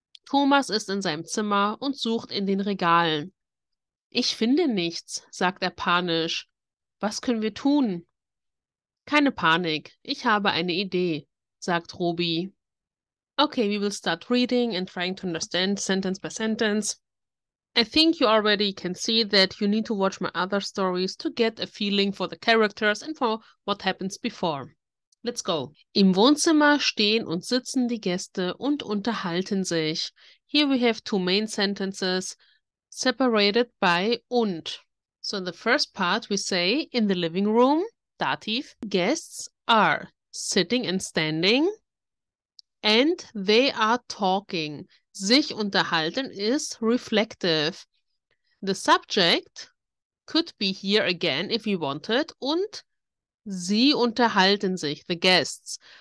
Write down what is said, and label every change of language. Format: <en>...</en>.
<de>Thomas ist in seinem Zimmer und sucht in den Regalen. Ich finde nichts, sagt er panisch. Was können wir tun? Keine Panik, ich habe eine Idee, sagt Ruby.</de> <en>Okay, we will start reading and trying to understand sentence by sentence. I think you already can see that you need to watch my other stories to get a feeling for the characters and for what happens before. Let's go.</en> <de>Im Wohnzimmer stehen und sitzen die Gäste und unterhalten sich.</de> <en>Here we have 2 main sentences. Separated by und. So in the first part we say, in the living room, dativ, guests are sitting and standing, and they are talking.</en> <de>Sich unterhalten ist reflective.</de> <en>The subject could be here again if we wanted,</en> <de>und sie unterhalten sich,</de> <en>the guests.</en>